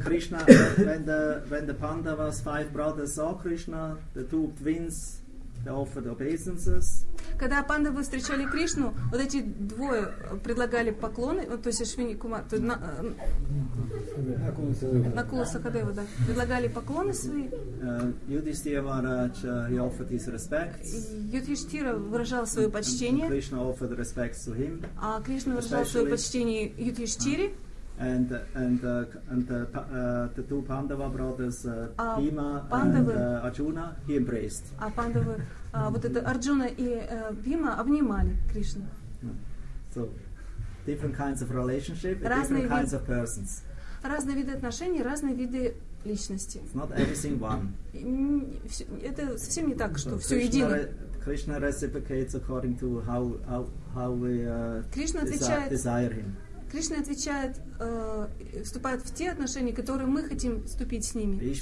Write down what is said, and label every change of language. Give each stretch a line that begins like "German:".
English: Krishna, when the Pandavas five brothers saw Krishna, the two twins, they offered obeisances,
Russian: когда пандавы встречали Кришну, вот эти двое предлагали поклоны, то есть Ашвини Кумар, то на Кулу Сахадева, да, предлагали поклоны свои.
English: Юдхиштхира Махарадж offered his respects.
Russian: Юдхиштхира выражал свое почтение.
English: Кришна offered respects to him.
Russian: А Кришна выражал свое почтение Юдхиштхире.
English: And the two Pandava brothers, Bhima and Arjuna, he embraced.
Russian: А пандавы, вот это Арджуна и Бхима обнимали Кришну.
English: So different kinds of relationship, different kinds of persons.
Russian: Разные виды отношений, разные виды личности.
English: It's not everything one.
Russian: Это совсем не так, что все едино.
English: Krishna reciprocates according to how we desire him.
Russian: Кришна отвечает, вступает в те отношения, которые мы хотим вступить с ними.